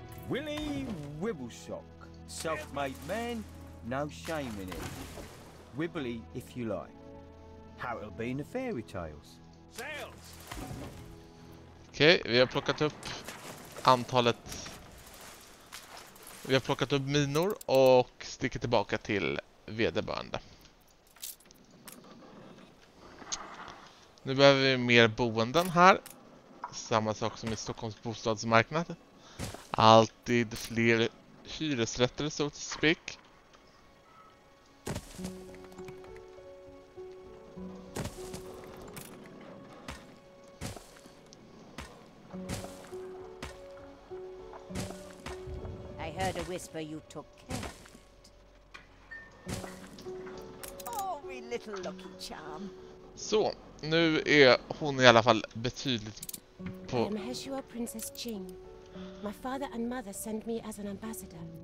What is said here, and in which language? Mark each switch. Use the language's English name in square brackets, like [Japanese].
[English] Willy Wibblesock, self-made man, no shame in it. Wibbly, if you like. How it'll be in the fairy tales. Sales! [Swedish] Okej, vi har plockat upp antalet... Vi har plockat upp minor och sticker tillbaka till vederbörande. Nu behöver vi mer boenden här. Samma sak som i Stockholms bostadsmarknad. Alltid fler hyresrätter, så att speak. [English] I heard a whisper you took it. Oh, my little lucky charm. [Swedish] Så, nu är hon i alla fall betydligt på... [English] Heshua Princess Qing. My father and mother sent me as an ambassador.